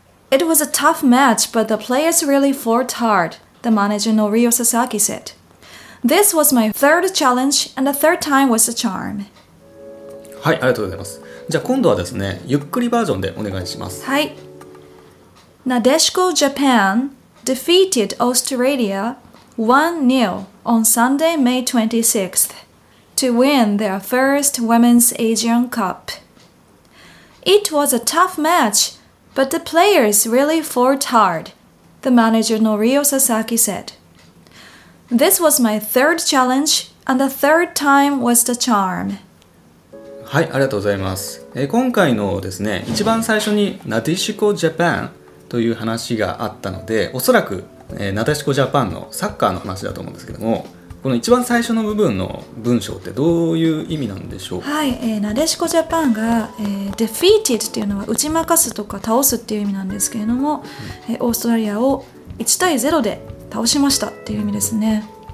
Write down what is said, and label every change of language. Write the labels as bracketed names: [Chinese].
[English] It was a tough match, but the players really fought hard, the manager Norio Sasaki said. This was my third challenge and the third time was a charm. [Japanese] はい、ありがとうございます。じゃあ今度はですね、ゆっくりバージョンでお願いします。 [English] はい。Nadeshiko Japan defeated Australia 1-0 on Sunday, May 26th to win their first Women's Asian Cup. It was a tough match, but the players really fought hard, the manager Norio Sasaki said. This was my third challenge and the third time was the charm. [Japanese] はい、ありがとうございます。今回のですね、一番最初にナデシコジャパンという話があったので、おそらく、ナデシコジャパンのサッカーの話だと思うんですけども、この一番最初の部分の文章ってどういう意味なんでしょうか。はい、ナデシコジャパンが、defeated っていうのは打ち負かすとか倒すっていう意味なんですけれども、オーストラリアを1対0で倒しましたっていう意味ですね。